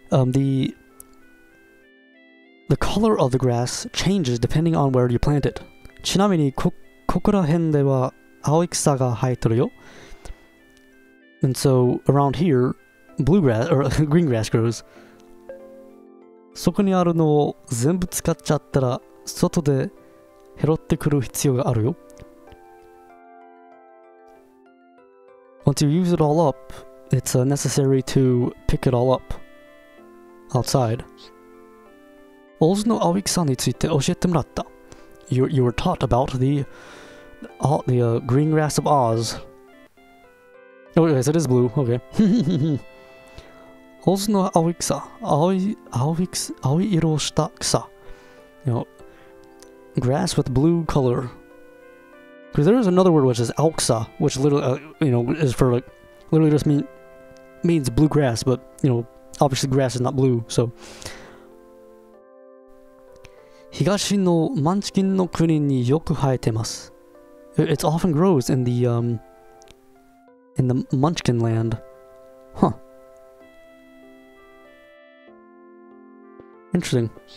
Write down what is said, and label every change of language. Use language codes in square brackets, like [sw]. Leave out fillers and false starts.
[en] The color of the grass changes depending on where you plant it. [ja] ちなみにここら辺では青い草が生えてるよ。 [en] And so around here, blue grass or green grass grows. [ja] そこにあるのを全部使っちゃったら外で拾ってくる必要があるよ。 [en] Once you use it all up, it's necessary to pick it all up outside. [ja] オズの青い草について教えてもらった。 [en] You were taught about the green grass of Oz. Oh, yes, it is blue. Okay. [ja] Oz no aoi ksa. Aoi iro shita ksa. [en] You know, grass with blue color. Because there is another word which is alksa, which literally, is for like, literally just means blue grass, but, you know, obviously grass is not blue, so. [ja] 東のマンチキンの国によく生えてます。 [en] It often grows in the Munchkin land. Huh. Interesting.